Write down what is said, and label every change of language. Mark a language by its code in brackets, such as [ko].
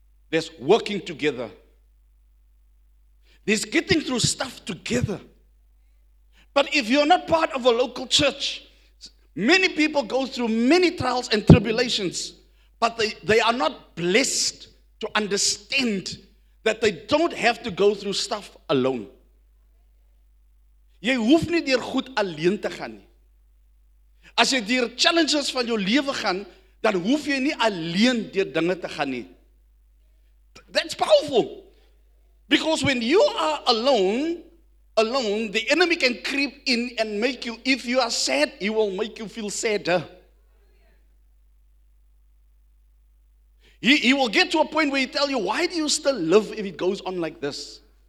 [en] There's working together. There's getting through stuff together. But if you're not part of a local church, many people go through many trials and tribulations, but they are not blessed to understand that they don't have to go through stuff alone. [af] Jy hoef nie deur goed alleen te gaan nie. As jy deur challenges van jou lewe gaan, dan hoef jy nie alleen deur dinge te gaan nie. [en] That's powerful. Because when you are alone, the enemy can creep in and make you, if you are sad, he will make you feel sadder. He will get to a point where he tell you, why do you still live if it goes on like this?